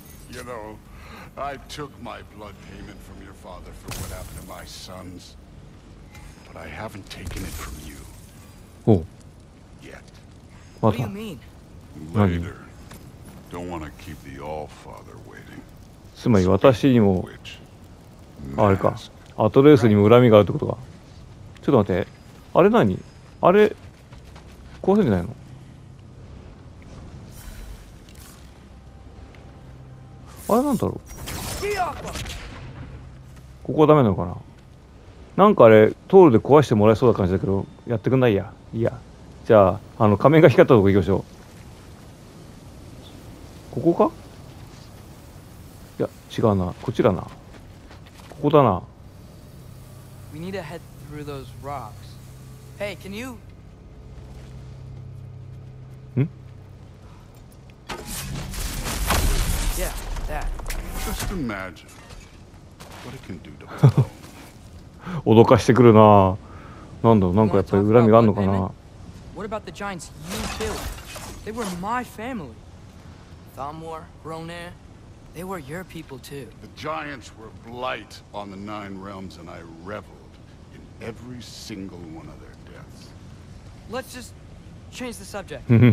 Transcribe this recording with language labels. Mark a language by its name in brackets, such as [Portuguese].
[English] You know, I took my blood payment from your father for what happened to my sons, but I haven't taken it from you. [Japanese] おう。 [English] Yet. What do you mean? Later. Don't want to keep the All Father waiting. [Japanese] つまり私にも、あれか。アトレースにも恨みがあるってことか。ちょっと待って、あれ何、あれ壊せんじゃないの。あれなんだろう、ここはダメなのかな。なんかあれ、トールで壊してもらえそうな感じだけど、やってくんない。や、いや、じゃあ、あの仮面が光ったとこ行きましょう。ここか。いや、違うな、こっちだな。ここだな。 [English] We need to head through those rocks. Hey, can you? Yeah, that. Just imagine what it can do to people. [Japanese] 脅かしてくるな。なんだ、なんかやっぱり恨みがあるのかな。 [English] What about the giants you killed? They were my family. Thamur, Ronair, they were your people too. The giants were blight on the Nine Realms, and I reveled in every single one of their deaths. Let's just change the subject.